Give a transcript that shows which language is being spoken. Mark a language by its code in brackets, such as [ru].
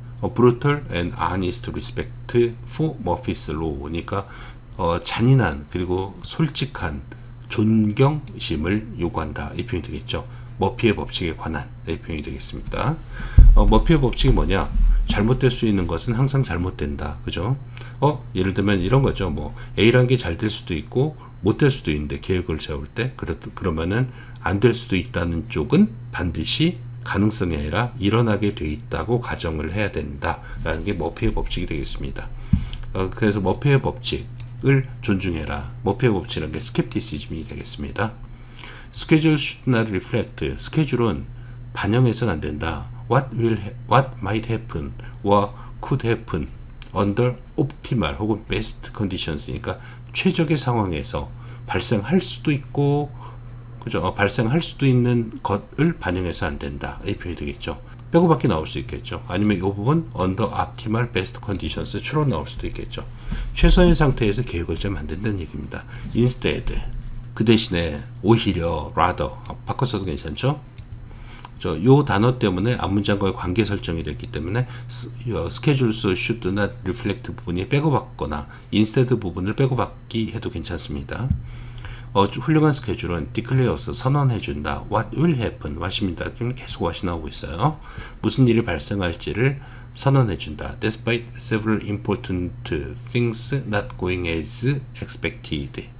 [en] A brutal and honest respect for Murphy's law. [ko] 그러니까 잔인한 그리고 솔직한 존경심을 요구한다. 이 표현이 되겠죠. 머피의 법칙에 관한 이 표현이 되겠습니다. 머피의 법칙이 뭐냐? 잘못될 수 있는 것은 항상 잘못된다. 그죠? 예를 들면 이런 거죠. 뭐 A라는 게 잘 될 수도 있고 못 될 수도 있는데 계획을 세울 때 그러면은 안 될 수도 있다는 쪽은 반드시 가능성이 아니라 일어나게 돼 있다고 가정을 해야 된다라는 게 머피의 법칙이 되겠습니다. 그래서 머피의 법칙을 존중해라. 머피의 법칙이라는 게 스캡티시즘이 되겠습니다. [en] 스케줄 should not reflect. [ko] 스케줄은 반영해서는 안 된다. [en] What might happen or could happen under optimal 혹은 best conditions. [ko] 그러니까 최적의 상황에서 발생할 수도 있고 그죠? 발생할 수도 있는 것을 반영해서 안 된다. 이 표현이 되겠죠. 빼고밖에 나올 수 있겠죠. 아니면 이 부분 [en] under optimal best conditions [ko] 추론 나올 수도 있겠죠. 최선의 상태에서 계획을 좀 안 된다는 얘기입니다. Instead, 그 대신에 오히려 rather 바꿔서도 괜찮죠? 저 요 단어 때문에 앞 문장과의 관계 설정이 됐기 때문에 [en] schedules should not reflect [ko] 부분이 빼고받거나 instead 부분을 빼고받기 해도 괜찮습니다. 훌륭한 스케줄은 declares 선언해준다. [en] What will happen? [ko] What입니다. 계속 what이 나오고 있어요. 무슨 일이 발생할지를 선언해준다. [en] Despite several important things not going as expected.